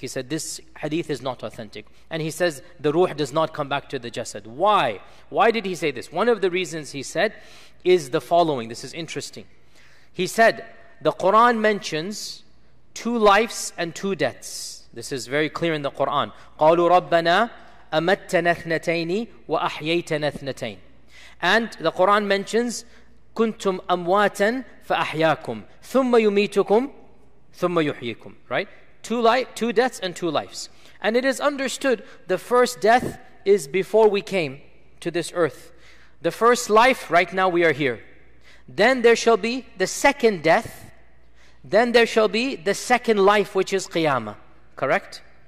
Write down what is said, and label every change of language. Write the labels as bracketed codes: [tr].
[en] He said this hadith is not authentic. And he says the ruh does not come back to the jasad. Why? Why did he say this? One of the reasons he said is the following. This is interesting. He said the Quran mentions two lives and two deaths. This is very clear in the Quran. [ar] قَالُوا رَبَّنَا أَمَتَّنَا اثْنَتَيْنِ وَأَحْيَيْتَنَا اثْنَتَيْنِ. [en] And the Quran mentions [ar] كُنْتُمْ أَمْوَاتًا فَأَحْيَاكُمْ ثُمَّ يُمِيتُكُمْ ثُمَّ يُحْيِيكُمْ. [en] Right? Two deaths and two lives. And it is understood the first death is before we came to this earth. The first life, right now we are here. Then there shall be the second death. Then there shall be the second life, which is Qiyamah. Correct?